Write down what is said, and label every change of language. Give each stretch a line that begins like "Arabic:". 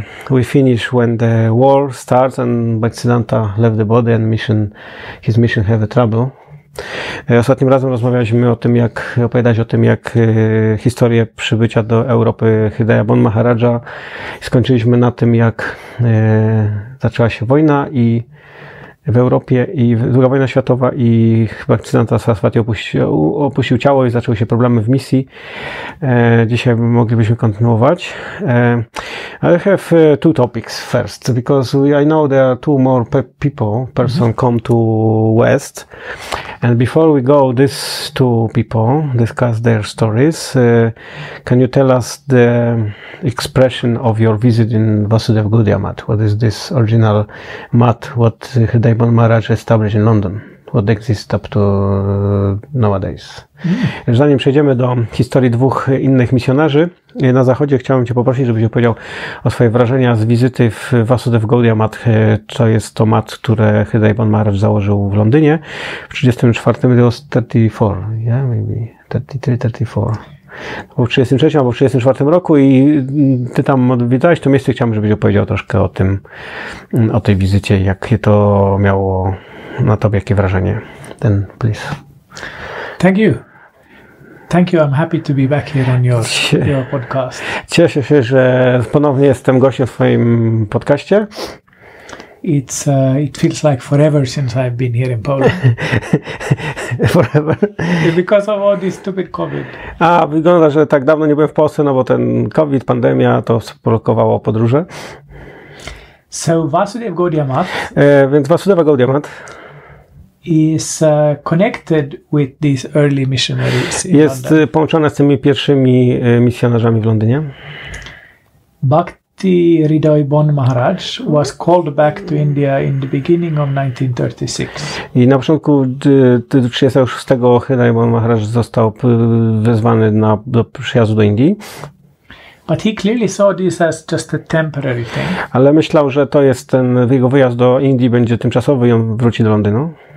English: We finish when the war starts and Bhaktisiddhanta left the body and his mission have a trouble.
Polish: Ostatnim razem rozmawialiśmy o tym, jak opowiadać o tym, jak historię przybycia do Europy Hridaya Bon Maharaja. Skończyliśmy na tym, jak zaczęła się wojna i w Europie, i II wojna światowa, i Bhaktisiddhanta Saraswati opuścił ciało i zaczęły się problemy w misji. Dzisiaj moglibyśmy kontynuować.
English: I have two topics first, because I know there are two more person come to West. And before we go, these two people discuss their stories. Can you tell us the expression of your visit in Vasudev Gaudiya Math? What is this original math? What Hiday Bon Maharaj established in London? What exists up to nowadays?
Polish: Zanim przejdziemy do historii dwóch innych misjonarzy na zachodzie, chciałbym Cię poprosić, żebyś opowiedział o swoje wrażenia z wizyty w Vasudev Gaudiya Math. To jest to mat, które Hiday Bon Maharaj założył w Londynie w 34, to jest 34,
English: yeah, maybe 33, 34.
Polish: W 33 albo w 34 roku i Ty tam odwiedzałeś to miejsce, chciałbym, żebyś opowiedział troszkę o tym, o tej wizycie, jakie to miało na Tobie, jakie wrażenie.
English: Then, please. Thank you. Thank you. I'm happy to be back here on your podcast.
Polish: Cieszę się, że ponownie jestem gościem w Twoim podcaście.
English: It feels like forever since I've been here in Poland. Forever. Because of all this stupid COVID.
Polish: A, wygląda, że tak dawno nie byłem w Polsce, no bo ten COVID, pandemia, to sprowokowało podróże.
English: So Vasudev Gaudiya Math.
Polish: Więc Vasudeva Gaudiya Math.
English: Is connected with these early missionaries in
Polish: Jest
English: London.
Polish: Połączone z tymi pierwszymi misjonarzami w Londynie.
English: Bhakti Hriday Bon Maharaj was called back to India in the beginning of 1936.
Polish: I na początku 1936 Hriday Bon Maharaj został wezwany do przyjazdu do Indii.
English: But he clearly saw this as just a temporary thing.
Polish: Ale myślał, że to jest ten jego wyjazd do Indii będzie tymczasowy i on wróci do Londynu.